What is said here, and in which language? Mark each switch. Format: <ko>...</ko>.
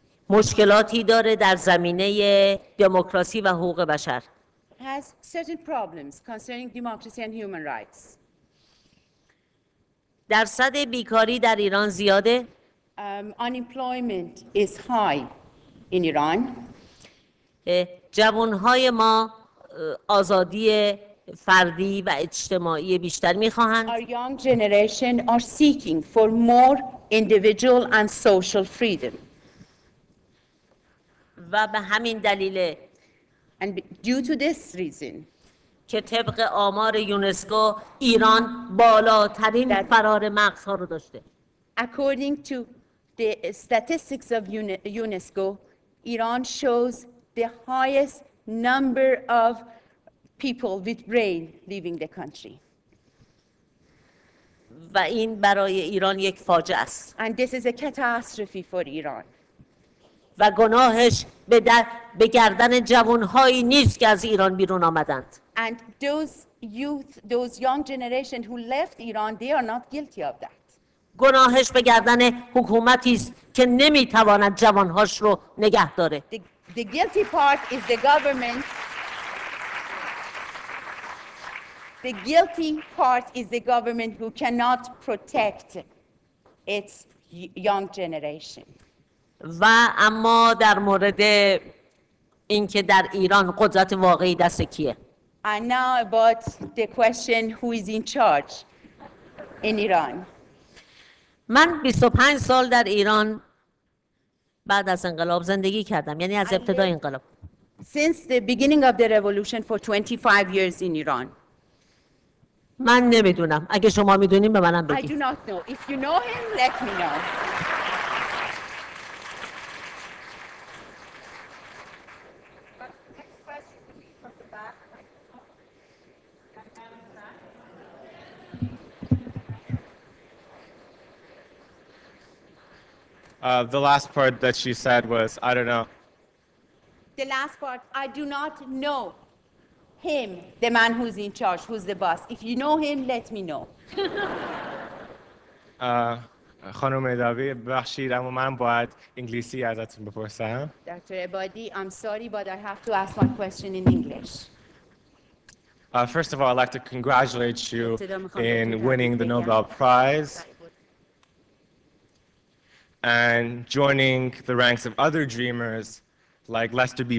<fa>مشکلاتی داره در زمینه دموکراسی و حقوق بشر.</fa> <en>Has certain problems concerning democracy and human rights.</en> <fa>درصد بیکاری در ایران زیاده.</fa> <en>Unemployment is high. In Iran,</en> <fa>جوانهای ما آزادی فردی و اجتماعی بیشتر می‌خواهند.</fa> <en>Our young generation are seeking for more individual and social freedom.</en> <fa>و به همین دلیل</fa> <en>and due to this reason</en> <fa>که طبق آمار یونسکو ایران بالاترین فرار مغزها رو داشته.</fa> <en>According to the statistics of UNESCO, Iran shows the highest number of people with brain leaving the country.</en> <fa>و این برای ایران یک فاجعه است.</fa> <en>And this is a catastrophe for Iran.</en> <fa>و گناهش به گردن جوانهایی نیست که از ایران بیرون آمدند.</fa> <en>And those youth, those young generation who left Iran, they are not guilty of that.</en> <fa>گناهش به گردن حکومتی است که نمیتواند جوانهاش رو نگه داره.</fa> <en>The guilty part is the government. The guilty part is the government who cannot protect its young generation.</en> <fa>و اما در مورد اینکه در ایران قدرت واقعی دست کیه؟</fa> <en>And now about the question who is in charge in Iran.</en> <fa>من 25 سال در ایران بعد از انقلاب زندگی کردم، یعنی از ابتدای انقلاب.</fa> <en>Since the beginning of the revolution for 25 years in Iran.</en> <fa>من نمیدونم، اگه شما میدونین به منم بگید.</fa> <en>I do not know. If you know him, let me know. The last part that she said was, I don't know. The last part, I do not know him, the man who's in charge, who's the boss. If you know him, let me know.</en> <fa>خانم ادابی، ببخشید، اما من باید انگلیسی ازتون بپرسم.</fa> <en>Dr. Ebadi, I'm sorry, but I have to ask one question in English. First of all, I'd like to congratulate you in winning the Nobel Prize. And joining the ranks of other dreamers like Lester B.</en>